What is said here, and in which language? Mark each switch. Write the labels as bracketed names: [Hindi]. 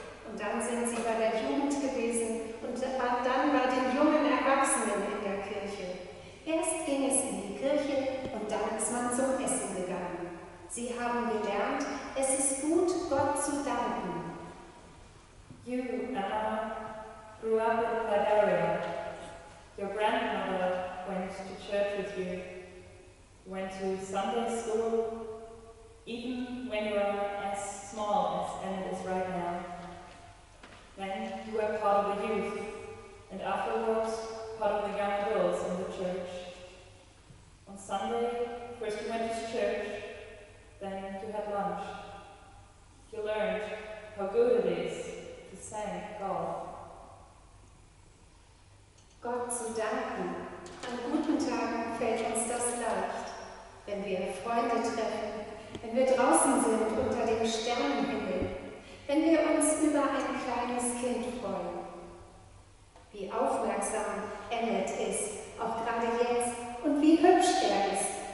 [German] Und dann sind sie bei der Jugend gewesen und dann bei den jungen Erwachsenen in der Kirche. Erst ging es in die Kirche und dann ist man zum Essen gegangen. Sie haben gelernt, es ist gut, Gott zu danken. [English] You, Anna, grew up in that area. Your grandmother went to church with you, went to Sunday school, even when you were as small as Anna is right now. Then you were part of the youth, and afterwards part of the young girls in the church. On Sunday, first you went to church, then you had lunch. You learned how good it is to thank God. [German] Gott zu danken. An guten Tagen fällt uns das leicht, wenn wir Freunde treffen, wenn wir draußen sind unter dem Sternenhimmel. Wenn wir uns über ein kleines Kind freuen, wie aufmerksam Emmet ist, auch gerade jetzt, und wie hübsch er ist.